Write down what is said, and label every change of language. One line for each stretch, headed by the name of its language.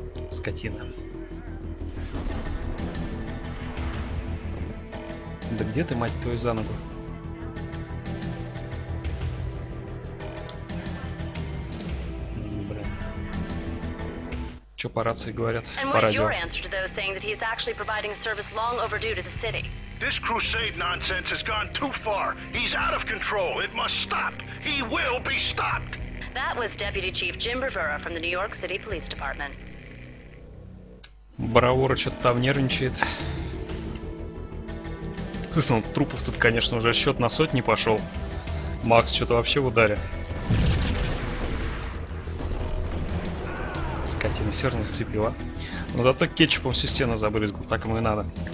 Russian: Скотина. Да где ты, мать твою, за ногу? Что по рации говорят, по радио.
English: And what is your answer to those saying that he's actually providing service long overdue to the city? This crusade nonsense has gone too far. He's out of control. It must stop. He will be stopped. That was Deputy Chief Jim Bravura from the New York City Police Department.
Russian: Бравура что-то там нервничает. Слушай, ну, трупов тут, конечно, уже счет на сотни пошел. Макс что-то вообще в ударе. Все равно зацепило. Но зато кетчупом всю стену забрызгал. Так ему и надо.